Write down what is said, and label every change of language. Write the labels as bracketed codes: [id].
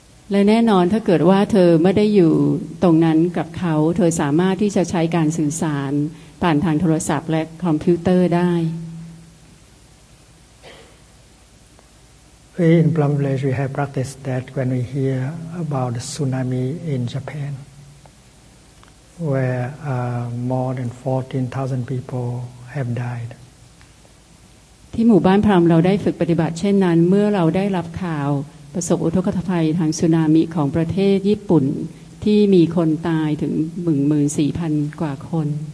[th] และแน่นอนถ้าเกิดว่าเธอไม่ได้อยู่ตรงนั้นกับเขาเธอสามารถที่จะใช้การสื่อสารผ่านทางโทรศัพท์และคอมพิวเตอร์ได้ [en] We in Plum Village, we have practiced that when we hear about the tsunami in Japan, where more than 14,000 people have died. [th] ที่หมู่บ้านพรามเราได้ฝึกปฏิบัติเช่นนั้นเมื่อเราได้รับข่าวประสบอุทกภัยทางสึนามิของประเทศญี่ปุ่นที่มีคนตายถึง 14,000 กว่าคน